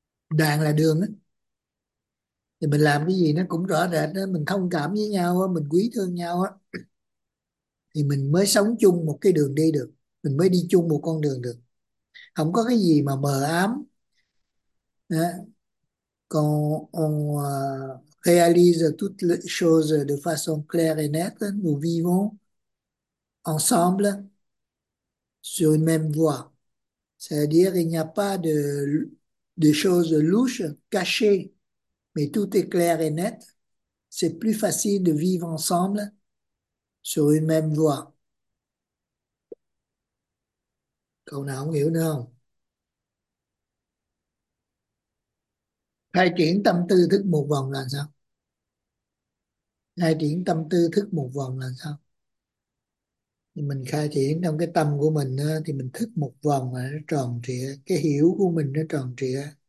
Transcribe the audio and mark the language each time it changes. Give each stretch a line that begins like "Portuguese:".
Vietnamese: Đàn là đường á, thì mình làm cái gì nó cũng rõ rệt đó, mình thông cảm với nhau đó, mình quý thương nhau á, thì mình mới sống chung một cái đường đi được, mình mới đi chung một con đường được, không có cái gì mà mờ ám đó.
French: Còn réalise toutes les choses de façon claire et nette, nous vivons ensemble sur une même voie. C'est-à-dire, il n'y a pas de choses louches, cachées, mais tout est clair et net. C'est plus facile de vivre ensemble sur une même voie.
Vietnamese: Câu nào không hiểu nữa không? Khai triển tâm tư thức một vòng là sao? Khai triển tâm tư thức một vòng là sao? Mình khai triển trong cái tâm của mình thì mình thức một vòng là nó tròn trịa, cái hiểu của mình nó tròn trịa.